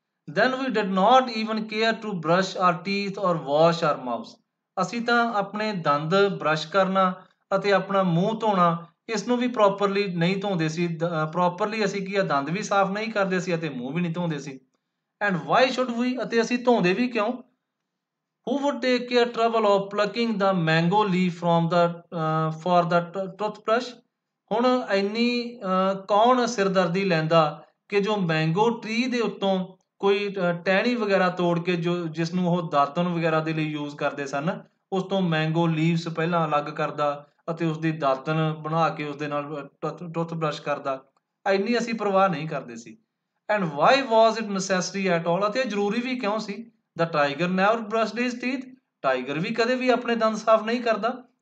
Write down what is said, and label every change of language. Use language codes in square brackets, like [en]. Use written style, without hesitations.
[en] then we did not even care to brush our teeth or wash our mouth, [pa] ਅਸੀਂ ਤਾਂ ਆਪਣੇ ਦੰਦ ਬ੍ਰਸ਼ ਕਰਨਾ ਅਤੇ ਆਪਣਾ ਮੂੰਹ ਧੋਣਾ ਇਸ ਨੂੰ ਵੀ ਪ੍ਰੋਪਰਲੀ ਨਹੀਂ ਧੋਂਦੇ ਸੀ, ਪ੍ਰੋਪਰਲੀ ਅਸੀਂ ਕੀ ਆ ਦੰਦ ਵੀ ਸਾਫ਼ ਨਹੀਂ ਕਰਦੇ ਸੀ ਅਤੇ ਮੂੰਹ ਵੀ ਨਹੀਂ ਧੋਂਦੇ ਸੀ। [en] and why should we, [pa] ਅਤੇ ਅਸੀਂ ਧੋਂਦੇ ਵੀ ਕਿਉਂ? [en] Who would take care trouble of plucking the mango leaf from the for the toothbrush? [pa] ਹੁਣ ਇੰਨੀ ਕੌਣ ਸਿਰਦਰਦੀ ਲੈਂਦਾ ਕਿ ਜੋ ਮੈਂਗੋ ਟ੍ਰੀ ਦੇ ਉੱਤੋਂ ਕੋਈ ਟਹਿਣੀ ਵਗੈਰਾ ਤੋੜ ਕੇ ਜੋ ਜਿਸ ਨੂੰ ਉਹ ਦਾਤਣ ਵਗੈਰਾ ਦੇ ਲਈ ਯੂਜ਼ ਕਰਦੇ ਸਨ ਉਸ ਤੋਂ ਮੈਂਗੋ ਲੀਵਸ ਪਹਿਲਾਂ ਅਲੱਗ ਕਰਦਾ ਅਤੇ ਉਸ ਦੀ ਦਾਤਣ ਬਣਾ ਕੇ ਉਸ ਦੇ ਨਾਲ ਟੁੱਥਬ੍ਰਸ਼ ਕਰਦਾ ਇੰਨੀ ਅਸੀਂ ਪਰਵਾਹ ਨਹੀਂ ਕਰਦੇ ਸੀ [en] and why was it necessary at all [pa] ਅਤੇ ਜ਼ਰੂਰੀ ਵੀ ਕਿਉਂ ਸੀ [en] the tiger never brush his teeth [pa] tiger ਵੀ ਕਦੇ ਵੀ ਆਪਣੇ ਦੰਦ ਸਾਫ਼ ਨਹੀਂ ਕਰਦਾ